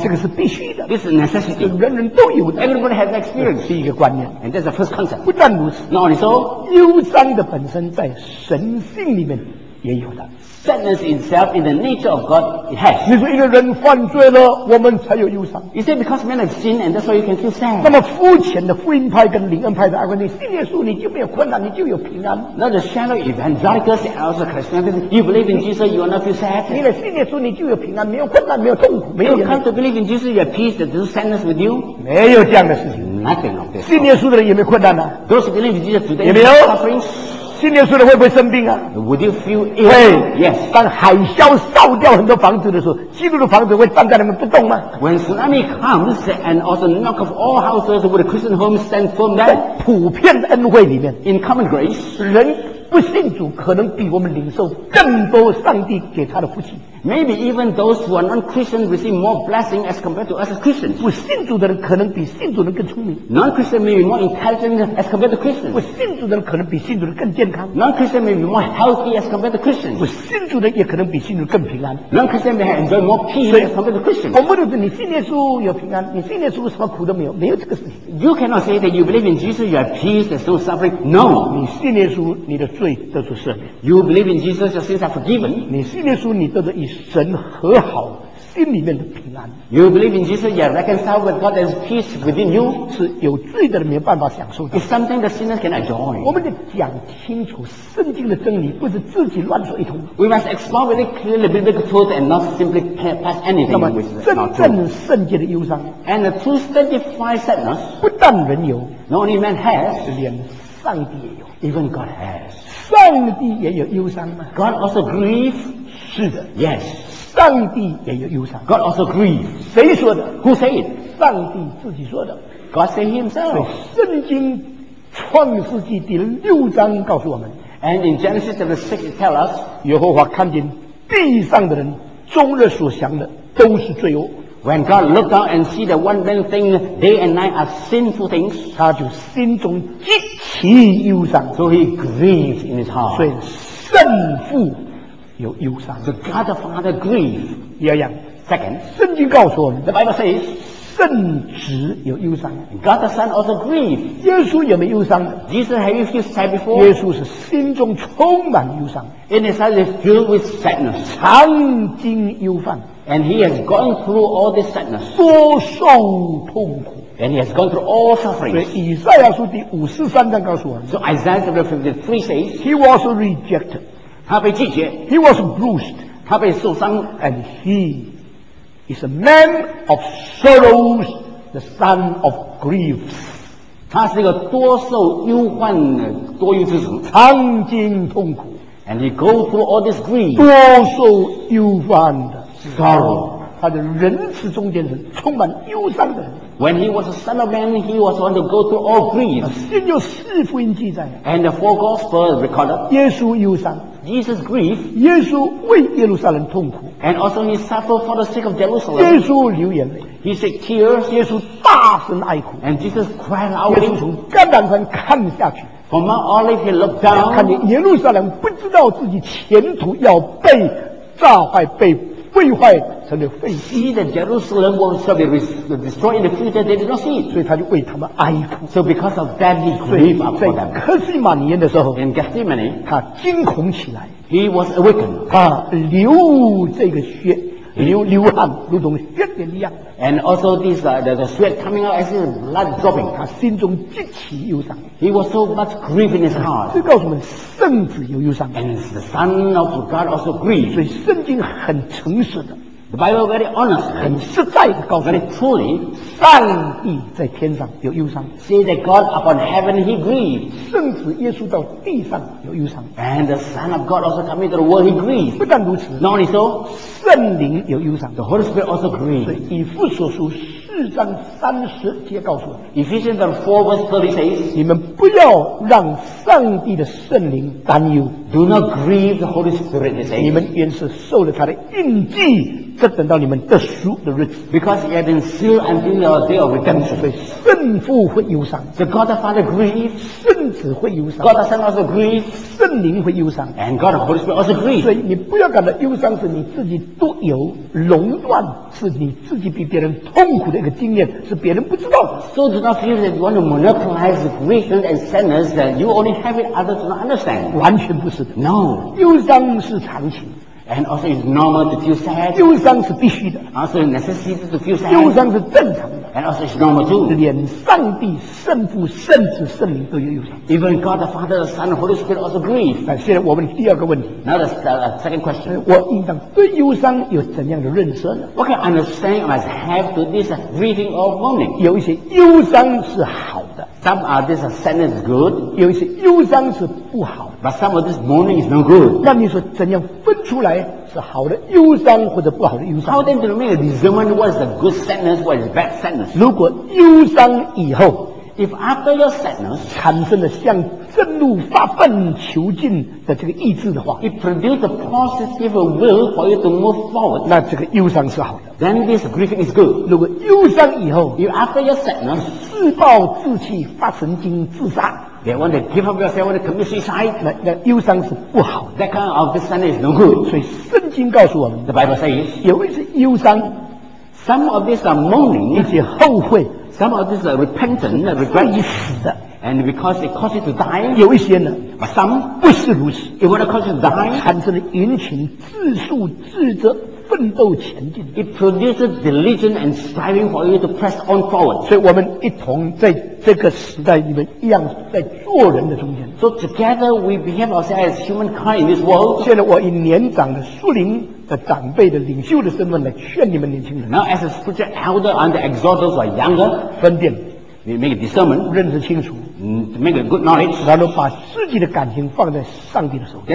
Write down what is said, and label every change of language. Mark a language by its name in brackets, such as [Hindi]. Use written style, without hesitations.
[Chinese] 这个是必须的。 [English] This is necessity. [Chinese] 人人都有的。 [English] Everybody has that experience. [Chinese] 第一个观念。 [English] And that's the first concept. [Chinese] 不但如此 [English] ，Not only so. [Chinese] 忧伤的本身在神性里面也有的。 [English] Sadness itself in the nature of God it has. [Chinese] 你说一个人犯罪了，我们才有忧伤。 [English] You say because man has sinned and that's why you can feel sad. [Chinese] 那么肤浅的福音派跟灵恩派的阿哥，你信耶稣你就没有困难，你就有平安。 [English] 那 the shallow evangelicals and also Christians, you believe in Jesus, you will not feel sad. [Chinese] 你来信耶稣你就有平安，没有困难，没有痛苦，没有。 [English] You come to believe in Jesus, you have peace. That there's sadness with you. [Chinese] 没有这样的事情。 [English] Nothing of this. [Chinese] 信耶稣的人也没困难呢、啊。 [English] Those believe in Jesus today. [Chinese] 有没有？信耶稣的会不会生病啊 [English] ？Would you feel ill? Yes. [Chinese] 当海啸扫掉很多房子的时候，基督的房子会站在那边不动吗 [English] ？When tsunami comes and also knock off all houses, would Christian homes stand firm? [Chinese] 在普遍的恩惠里面 [English] ，in common grace, [Chinese] 人不信主可能比我们领受更多上帝给他的福气。 [English] Maybe even those who are non-Christian receive more blessing as compared to us as Christians. [Chinese] 不信主的人可能比信主人更聪明。 [English] Non-Christian may be more intelligent as compared to Christians. [Chinese] 不信主的人可能比信主人更健康。 [English] Non-Christian may be more healthy as compared to Christians. [Chinese] 不信主的人也可能比信主人更平安。 [English] Non-Christian may enjoy more peace as compared to Christians. [Chinese] 我问的是你信耶稣有平安，你信耶稣什么苦都没有，没有这个事情。 [English] You cannot say that you believe in Jesus, you have peace, there's no suffering. No. [Chinese] 你信耶稣，你的罪得到赦免。 [English] You believe in Jesus, your sins are forgiven. [Chinese] 你信耶稣，你得到义。神和好心里面的平安 [English] You believe in Jesus You are reconciled with God There's peace within you [Chinese] 是有罪的人没有办法享受的 [English] It's something that sinners can enjoy [Chinese] 我们得讲清楚圣经的真理不是自己乱说一通 [English] We must explore really clearly biblical truth And not simply pass anything [Chinese] 那么真正圣洁的忧伤 [English] And the true sanctified sadness [Chinese] 不但人有 [English] Not only man has [Chinese] 连上帝也有 [English] Even God has [Chinese] 上帝也有忧伤吗 [English] God also grieves [Chinese] 是的 [English] ，Yes， [Chinese] 上帝也有忧伤。 [English] God also grieved. [Chinese] 谁说的 [English] ？Who said? [Chinese] 上帝自己说的。 [English] God said himself. [Chinese] 圣经创世纪第六章告诉我们。 [English] And in Genesis chapter 6 it tells us. [Chinese] 耶和华看见地上的人终日所想的都是罪恶。 [English] When God looked out and see the one man thing day and night are sinful things, [Chinese] 他就心中极其忧伤。 [English] So he grieved in his heart. [Chinese] 所以圣父有忧伤。 [English] The God the Father grieved. [Chinese] 第二样。 [English] Second, [Chinese] 圣经告诉我们 [English] ，The Bible says, [Chinese] 圣子有忧伤。 [English] God the Son also grieved. [Chinese] 耶稣有没有忧伤 [English] ？Jesus have you felt sad before? [Chinese] 耶稣是心中充满忧伤。 [English] In his heart is filled with sadness. [Chinese] 常经忧患。 [English] And he has gone through all this sadness. [Chinese] 多受痛苦。 [English] And he has gone through all sufferings. [Chinese] 所以以赛亚书第53章告诉我们。 [English] So Isaiah chapter 53 says, He was rejected. [Chinese] 他被拒绝。 [English] He was bruised. [Chinese] 他被受伤。 [English] And he is a man of sorrows, the son of griefs. [Chinese] 他是一个多受忧患的多忧之主。常经痛苦。 [English] And he go through all this grief. [Chinese] 多受忧患的。 [English] Sorrow. [Chinese] 他的仁慈中间是充满忧伤的。 [English] When he was a son of man, he was one to go through all grief. [Chinese] 新约四福音记载。 [English] And the four gospels recorded. [Chinese] 耶稣忧伤。 [English] Jesus grieved. [Chinese] 耶稣为耶路撒冷痛苦。 [English] And also he suffered for the sake of Jerusalem. [Chinese] 耶稣流眼泪。 [English] He shed tears. [Chinese] 耶稣大声哀哭。 [English] And Jesus cried out. [Chinese] 耶稣从橄榄山看下去。 [English] From Mount Olive he looked down. [Chinese] 看见耶路撒冷不知道自己前途要被炸坏被。毁坏成了废墟。 [English] See that Jerusalem was to be destroyed in the future, they did not see. [Chinese] 所以他就为他们哀哭。 [English] So because of that, he grieved for them. [Chinese] 在克西马尼园的时候 [English] ，In Gethsemane, [Chinese] 他惊恐起来。 [English] He was awakened. [Chinese] 他流这个血，流汗，如同血点一样。 [English] And also this, the sweat coming out as blood dropping. [Chinese] 他心中极其忧伤。 [English] He was so much grief in his heart. [Chinese] 这告诉我们。圣子有忧伤 [English] ，and the son of God also grieved. [Chinese] 所以圣经很诚实的 [English] ，the Bible very honest, [Chinese] 很实在的告诉 [English] ，very truly, [Chinese] 上帝在天上有忧伤 [English] ，say that God upon heaven he grieved. [Chinese] 圣子耶稣到地上有忧伤 [English] ，and the son of God also coming to the world he grieved. [Chinese] 不但如此 [English] ，not only so, [Chinese] 圣灵有忧伤 [English] ，the Holy Spirit also grieved. [Chinese] 所以以弗所书四章三十节告诉我 [English] Ephesians 4 verse 30 says [Chinese] 你们不要让上帝的圣灵担忧 [English] Do not grieve the Holy Spirit [Chinese] 你们原是受了他的印记这等到你们得赎的日子 [English] Because he had been sealed until the day of redemption [Chinese] 所以圣父会忧伤 [English] The God the Father grieved [Chinese] 圣子会忧伤 [English] God the Son also grieved [Chinese] 圣灵会忧伤 [English] And God the Holy Spirit also grieved [Chinese] 所以你不要感到忧伤是你自己独有垄断是你自己比别人痛苦的一个经验是别人不知道的 [English] So do not feel that you want to monopolize grief and sadness that you only have it others do not understand [Chinese] 完全不是的 [English] No [Chinese] 忧伤是常情 [English] And also it's normal to feel sad. [Chinese] 忧伤是必须的。 [English] Also necessity to feel sad. [Chinese] 忧伤是正常的。 [English] And also it's normal too. [Chinese] 连上帝、圣父、圣子、圣灵都有忧伤。 [English] Even God the Father, the Son, the Holy Spirit also grieve. [Chinese] 那现在我问第二个问题。 [English] Now the second question. [Chinese] 我应当对忧伤有怎样的认识呢 [English] ？What kind of understanding must have to this grieving or mourning? [Chinese] 有一些忧伤是好的。 [English] Some are this sadness good. [Chinese] 有一些忧伤是不好的。 [English] But some of this mourning is no good. [Chinese] 那你说怎样分出来是好的忧伤或者不好的忧伤 [English] ？How then do you make a discernment what is the good sadness, what is bad sadness? [Chinese] 如果忧伤以后 [English] ，if after your sadness [Chinese] 产生了像震怒发愤求进的这个意志的话 [English] ，it produces a positive will for you to move forward. [Chinese] 那这个忧伤是好的。 [English] Then this grief is good. [Chinese] 如果忧伤以后 [English] ，if after your sadness [Chinese] 自暴自弃发神经自杀。 [English] They want to give up yourself, want to commit suicide. [Chinese] 那忧伤是不好的。 [English] That kind of sadness is no good. [Chinese] 所以圣经告诉我们 [English] ，The Bible says， [Chinese] 有一些忧伤 [English] ，some of this are mourning， [Chinese] 一些后悔 [English] ，some of this are repentance， regret [Chinese] 已死的。 [English] And because it causes to die， [Chinese] 有一些呢 [English] ，but some [Chinese] 不是如此。 [English] It will cause to die， [Chinese] 产生了殷勤、自述、自责。奋斗前进 [English] ，It produces diligence and striving for you to press on forward. [Chinese] 所以我们一同在这个时代里面一样在做人的中间。 [English] So together we behave ourselves as humankind in this world. [Chinese] 现在我以年长的树林的长辈的领袖的身份来劝你们年轻人。 [English] Now as a spiritual elder and the exhorters are younger, [Chinese] 分辨 [English] make a discernment, [Chinese] 认识清楚， [English] make a good knowledge, [Chinese] 然后把自己的感情放在上帝的手里，